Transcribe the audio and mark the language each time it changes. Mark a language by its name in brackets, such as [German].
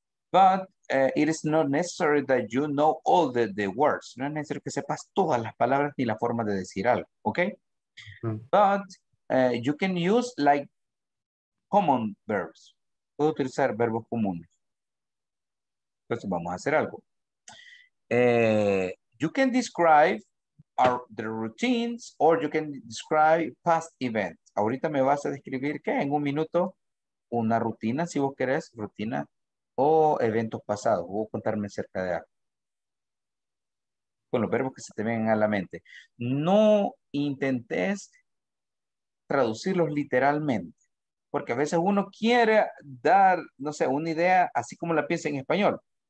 [English] But it is not necessary that you know all the words. [Spanish] No es necesario que sepas todas las palabras ni la forma de decir algo, okay? [English] Mm-hmm. But you can use like common verbs. [Spanish] Puedo utilizar verbos comunes. Entonces vamos a hacer algo. [English] You can describe the routines or you can describe past events. [Spanish] Ahorita me vas a describir que en un minuto una rutina, si vos querés, rutina o eventos pasados. Voy a contarme acerca de algo. Con los verbos que se te vengan a la mente. No intentes traducirlos literalmente, porque a veces uno quiere dar, no sé, una idea así como la piensa en español.